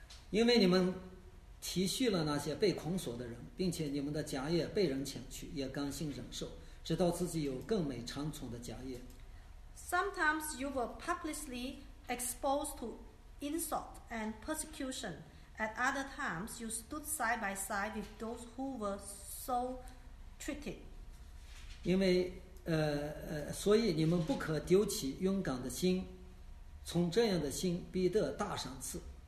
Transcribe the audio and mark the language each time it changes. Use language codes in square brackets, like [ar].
[zh] 因为你们体恤了那些被捆锁的人，并且你们的家业被人抢去，也甘心忍受，直到自己有更美长存的家业。 [en] Sometimes you were publicly exposed to insult and persecution. At other times, you stood side by side with those who were so treated. [zh] 因为所以你们不可丢弃勇敢的心，从这样的心必得大赏赐。